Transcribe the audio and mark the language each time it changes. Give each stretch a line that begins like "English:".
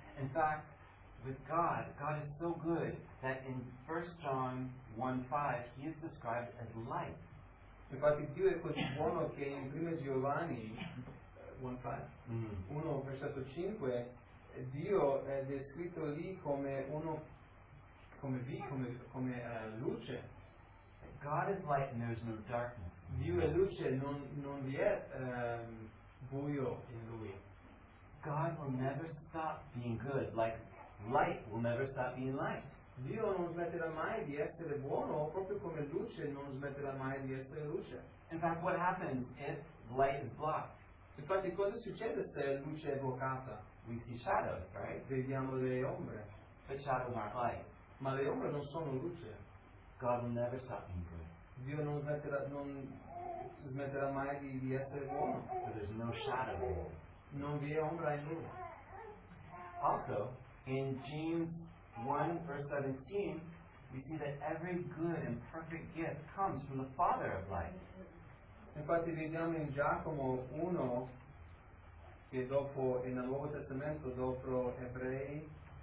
English: In fact, with God, God is so good that in 1 John 1:5 he is described as light.
Italian: Infatti Dio è così buono che in 1 Giovanni 1:5 Dio è descritto lì come uno come luce.
English: God is light and there's no darkness.
Italian: Dio è luce, non vi è buio in lui.
English: God will never stop being good, like light will never stop being light.
Italian: Dio non smetterà mai di essere buono, proprio come luce non smetterà mai di essere luce.
English: In fact, what happens if light is blocked?
Italian: Infatti, cosa succede se la luce è bloccata?
English: We see shadows, right?
Italian: Vediamo le ombre.
English: But shadows aren't light.
Italian: Ma le ombre non sono luce.
English: God will never stop being good.
Italian: Dio non smetterà mai di essere buono.
English: But there's no shadow.
Italian: Non vi è ombra in lui.
English: Also, in James 1, verse 17, we see that every good and perfect gift comes from the Father of light.
Italian: Infatti vediamo in Giacomo 1, che dopo, nel Nuovo Testamento, dopo Ebrei,